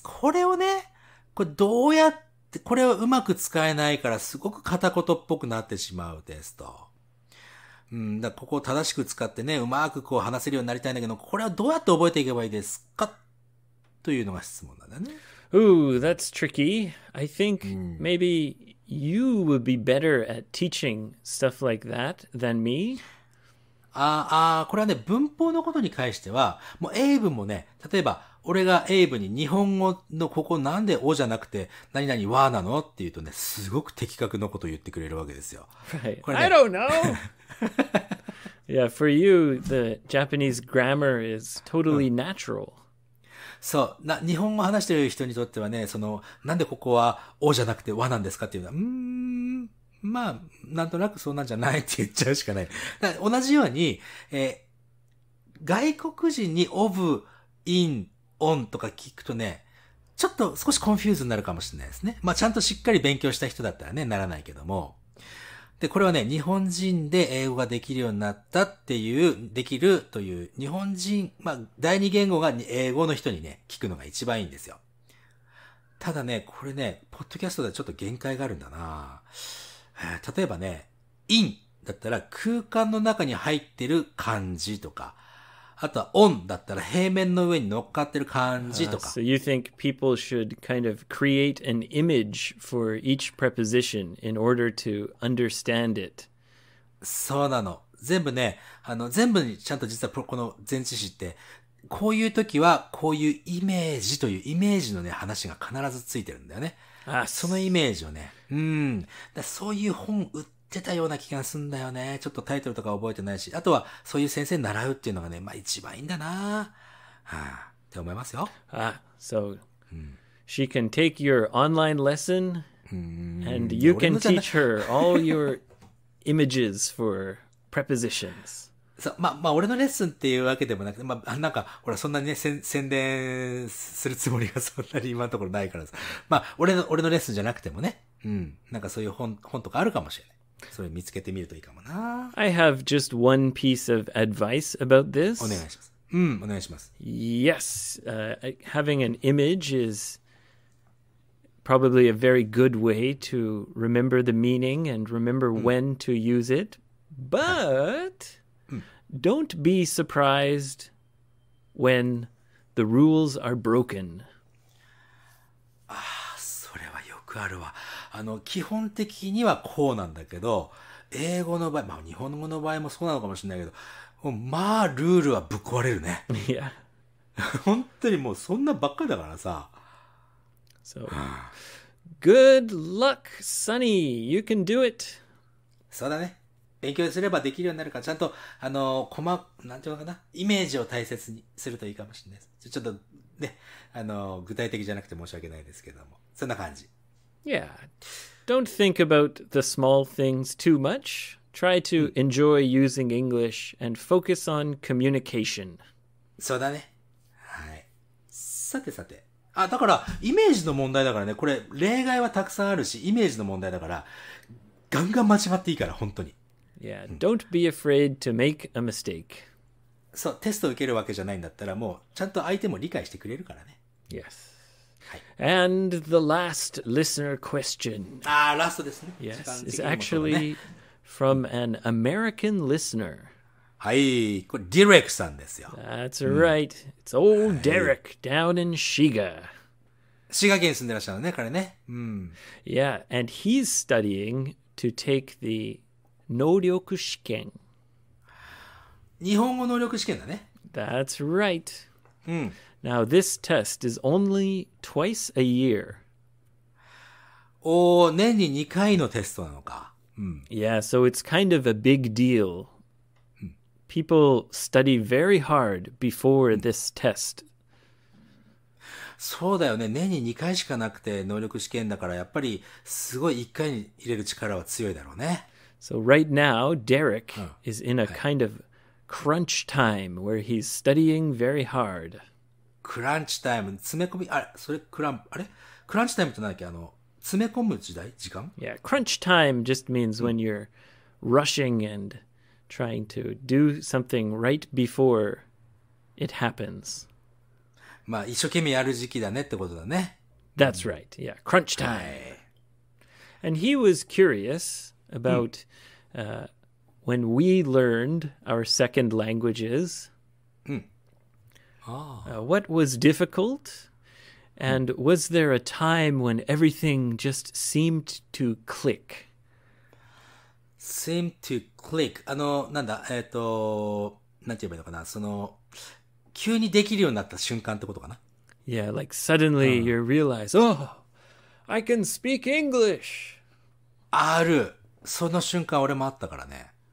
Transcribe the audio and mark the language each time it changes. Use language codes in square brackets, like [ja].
[ja] これをね、これどうやって、これをうまく使えないから、すごく片言っぽくなってしまうですと。うん、だここを正しく使ってね、うまくこう話せるようになりたいんだけど、これはどうやって覚えていけばいいですかというのが質問なんだね。 [en] Ooh, that's tricky. I think maybe you would be better at teaching stuff like that than me. [ja] これはね、文法のことに関しては、もうエイブもね、例えば俺がエイブに日本語のここなんでおじゃなくて何々わなのって言うとね、すごく的確のことを言ってくれるわけですよ。 [en] Right. [ja] これね、 [en] I don't know! yeah, for you, the Japanese grammar is totally natural. [ja] そう、日本語話してる人にとってはね、その、なんでここはおじゃなくてわなんですかっていうのは、まあ、なんとなくそうなんじゃないって言っちゃうしかない。だから同じように、外国人に of, in, on とか聞くとね、ちょっと少しコンフューズになるかもしれないですね。まあ、ちゃんとしっかり勉強した人だったらね、ならないけども。で、これはね、日本人で英語ができるようになったっていう、できるという、日本人、まあ、第二言語が英語の人にね、聞くのが一番いいんですよ。ただね、これね、ポッドキャストではちょっと限界があるんだな、例えばね、in だったら空間の中に入ってる感じとか、あとは on だったら平面の上に乗っかってる感じとか。 [en] So you think people should kind of create an image for each preposition in order to understand it? [ja] そうなの。全部ね、あの、全部にちゃんと実はこの前置詞って、こういう時はこういうイメージというイメージのね、話が必ずついてるんだよね。あ、そのイメージをね。だそういう本売ってたような気がするんだよね。ちょっとタイトルとか覚えてないし。あとは、そういう先生習うっていうのがね、まあ一番いいんだなぁ。はぁ、あ、って思いますよ。あ、そう。 [en] She can take your online lesson, and you can teach her all your images for prepositions. [ja] そう、まあ、俺のレッスンっていうわけでもなくて、まあ、なんか、ほら、そんなにね、宣伝するつもりがそんなに今のところないからさ。まあ、俺のレッスンじゃなくてもね。なんかそういう本とかあるかもしれない。それ見つけてみるといいかもな。 [en] I have just one piece of advice about this. [ja] お願いします。お願いします。 [en] Yes, having an image is probably a very good way to remember the meaning and remember when to use it. But don't be surprised when the rules are broken. [ja] ああ、それはよくあるわ。あの、基本的にはこうなんだけど、英語の場合、まあ日本語の場合もそうなのかもしれないけど、まあルールはぶっ壊れるね。いや、本当にもうそんなばっかりだからさ。 [en] So, good luck, Sunny. You can do it. [ja] そうだね。勉強すればできるようになるから、ちゃんとあの細なんていうのかな、イメージを大切にするといいかもしれない。ちょっとね、あの具体的じゃなくて申し訳ないですけども、そんな感じ。 [en] Yeah. Don't think about the small things too much. Try to enjoy using English and focus on communication. [ja] そうだね。はい。さてさて。あ、だから、イメージの問題だからね。これ、例外はたくさんあるし、イメージの問題だから、ガンガン間違っていいから、本当に。 [en] Yeah. Don't be afraid to make a mistake. [ja] そう、テストを受けるわけじゃないんだったら、もう、ちゃんと相手も理解してくれるからね。 [en] Yes. [ja] はい、 [en] And the last listener question. [ja] Ah, last ですね。 [en] Yes, it's actually from an American listener. [ja] はい、これ Derek さんですよ。 [en] That's right. It's old Derek down in Shiga. [ja] 滋賀県に住んでらっしゃるね、彼ね。 [en] Yeah, and he's studying to take the 能力試験。 [ja] 日本語能力試験だね。 [en] That's right. Now, this test is only twice a year. [ja] Oh, 年に2回のテストなのか。 [en] Yeah, so it's kind of a big deal. People study very hard before this test. [ja] そうだよね。年に2回しかなくて能力試験だから、やっぱりすごい1回に入れる力は強いだろうね。 [en] So right now, Derek is in a kind of crunch time where he's studying very hard. [ja] クランチタイム、詰め込み、あれ、それクランあれクランチタイムって何だっけ、あの、詰め込む時代時間 [en] Yeah, crunch time just means when you're rushing and trying to do something right before it happens. [ja] まあ、一生懸命やる時期だねってことだね。 [en] That's right, yeah, crunch time.、And he was curious about、when we learned our second languages. What was difficult? And was there a time when everything just seemed to click? Seemed to click. [ja] あの、なんだ、なんて言えばいいのかな。その、急にできるようになった瞬間ってことかな。 [en] Yeah, like suddenly you realize, oh, I can speak English. [ja] ある。その瞬間俺もあったからね。